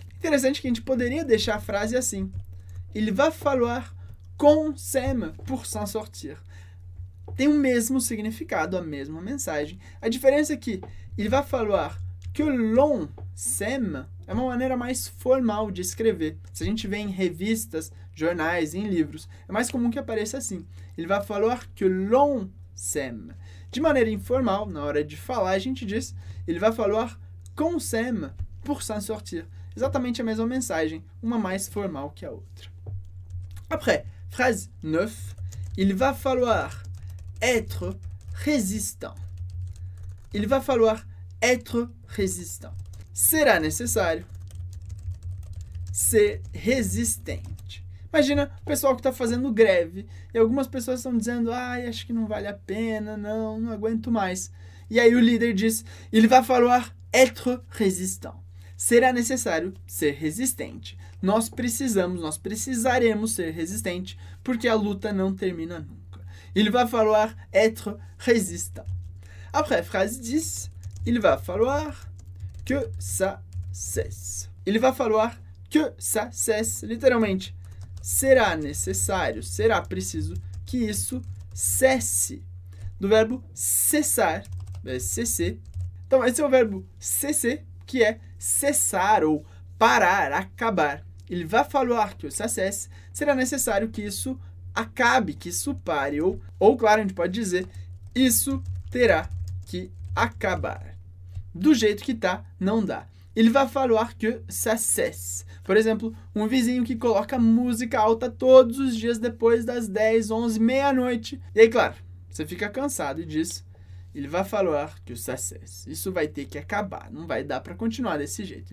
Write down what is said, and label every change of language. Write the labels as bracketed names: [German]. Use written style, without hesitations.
[Portuguese] Interessante que a gente poderia deixar a frase assim. [French] Il va falloir qu'on s'aime pour s'en sortir. [Portuguese] tem o mesmo significado, a mesma mensagem. A diferença é que ele vai falar que o long sem é uma maneira mais formal de escrever. Se a gente vê em revistas, jornais, em livros, é mais comum que apareça assim. Ele vai falar que o long sem. De maneira informal, na hora de falar, a gente diz, ele vai falar com sem [French] pour s'en sortir. [Portuguese] Exatamente a mesma mensagem, uma mais formal que a outra. [French] Après, phrase 9, il va falloir être résistant. Il va falloir être résistant. [Portuguese] Será necessário ser resistente. Imagina o pessoal que está fazendo greve e algumas pessoas estão dizendo, ai, acho que não vale a pena, não aguento mais. E aí o líder diz, [French] il va falloir être résistant. [Portuguese] Será necessário ser resistente. Nós precisaremos ser resistente, porque a luta não termina nunca. [French] Il va falloir être résistant. Après, phrase 10, il va falloir que ça cesse. Il va falloir que ça cesse. [Portuguese] Literalmente, será necessário, será preciso que isso cesse. Do verbo cessar, cesser. Então, esse é o verbo cesser, que é cessar ou parar, acabar. [French] Il va falloir que ça cesse. [Portuguese] Será necessário que isso acabe, que isso pare. Ou claro, a gente pode dizer, isso terá que acabar. Do jeito que tá, não dá. [French] Il va falloir que ça cesse. [Portuguese] Por exemplo, um vizinho que coloca música alta todos os dias depois das 10, 11, meia-noite. E aí, claro, você fica cansado e diz, [French] il va falloir que ça cesse. [Portuguese] Isso vai ter que acabar, não vai dar para continuar desse jeito.